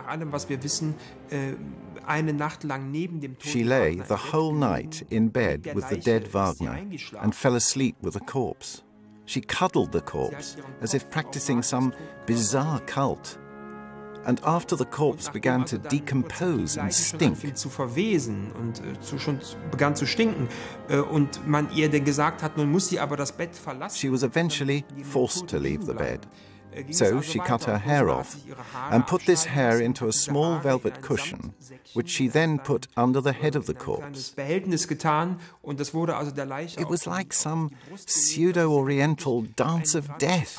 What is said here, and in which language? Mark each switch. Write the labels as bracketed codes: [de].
[de] Was wir wissen, eine Nacht lang neben dem [en] She lay the whole night in bed with the dead Wagner and fell asleep with a corpse. She cuddled the corpse as if practicing some bizarre cult. And after the corpse began to decompose and stink, [de] zu verwesen und schon begann zu stinken und man ihr denn gesagt hat, nun muss sie aber das Bett verlassen. [en] She was eventually forced to leave the bed. So she cut her hair off and put this hair into a small velvet cushion, which she then put under the head of the corpse. It was like some pseudo-oriental dance of death.